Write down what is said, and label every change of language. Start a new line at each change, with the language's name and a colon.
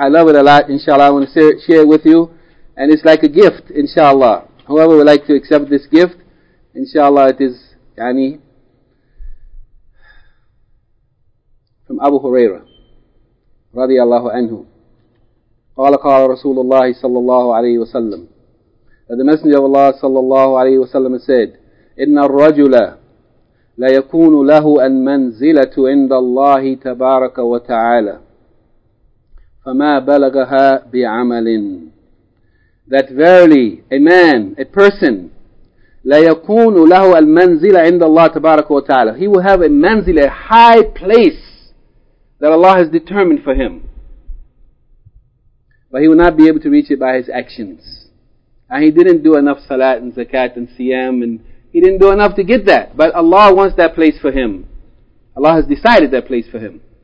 English: I love it a lot, inshallah. I want to share it with you. And it's like a gift, inshallah. Whoever would like to accept this gift, inshallah, it is, yani, from Abu Huraira, radiallahu anhu.
Arabic: Qala qala Rasulullah sallallahu alayhi wa sallam.
English: The Messenger of Allah sallallahu alayhi wa sallam said,
Arabic: إِنَّ الرَّجُلَ لَيَكُونُ لَهُ أَنْ مَنْزِلَةُ عِنْدَ اللَّهِ تَبَارَكَ وَتَعَالَى فَمَا بَلَغَهَا بِعَمَلٍ.
English: That verily a man, a person,
Arabic: لا يكون له المنزلة عند الله تبارك وتعالى.
English: He will have a منزلة, a high place that Allah has determined for him. But he will not be able to reach it by his actions. And he didn't do enough salat and zakat and siyam, and he didn't do enough to get that. But Allah wants that place for him. Allah has decided that place for him.